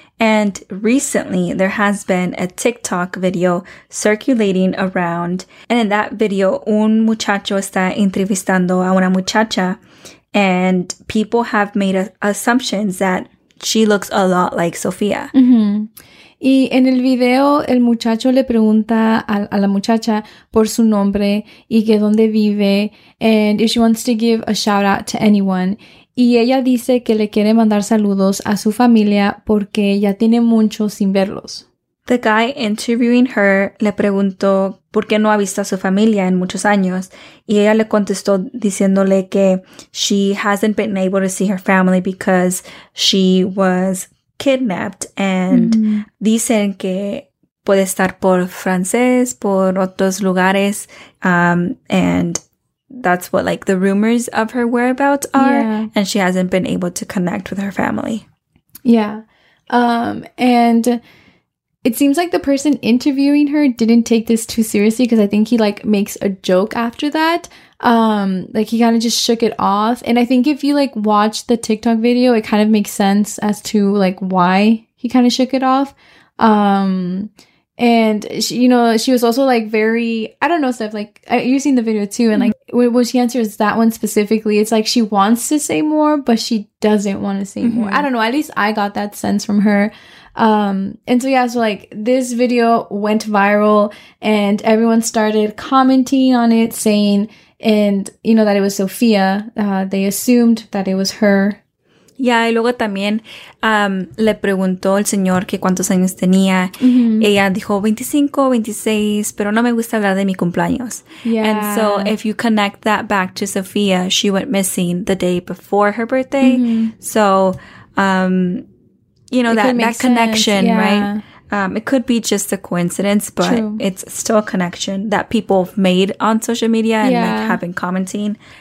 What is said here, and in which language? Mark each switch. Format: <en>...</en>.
<en>And recently there has been a TikTok video circulating around. And in that video,</en> <es>un muchacho está entrevistando a una muchacha.</es> <en>And people have made assumptions that she looks a lot like Sofia. Mm-hmm.</en> <es>Y en el video, el muchacho le pregunta a la muchacha por su nombre y que dónde vive.</es> <en>And if she wants to give a shout out to anyone.</en> <es>Y ella dice que le quiere mandar saludos a su familia porque ya tiene mucho sin verlos.</es> <en>The guy interviewing her</en> <es>le preguntó por qué no ha visto a su familia en muchos años. Y ella le contestó diciéndole que</es> <en>she hasn't been able to see her family because she was kidnapped.</en> <es>And dicen que puede estar por francés, por otros lugares.</es> <en>And that's what like the rumors of her whereabouts are. Yeah. And she hasn't been able to connect with her family. Yeah. And it seems like the person interviewing her didn't take this too seriously because I think he like makes a joke after that. Like he kind of just shook it off. And I think if you like watch the TikTok video, it kind of makes sense as to like why he kind of shook it off. And she, you know, she was also like very, I don't know, Steph, like you've seen the video too. And like when she answers that one specifically, it's like she wants to say more, but she doesn't want to say more. I don't know. At least I got that sense from her. And so, yeah, so like this video went viral and everyone started commenting on it saying, and you know, that it was Sofia. They assumed that it was her.</en> <es>Yeah, y luego también le preguntó el señor que cuántos años tenía. Ella dijo 25, 26, pero no me gusta hablar de mi cumpleaños.</es> <en>Yeah. And so if you connect that back to Sofia, she went missing the day before her birthday. So, you know, that connection, right? It could be just a coincidence, but it's still a connection that people have made on social media and like, have been commenting.</en>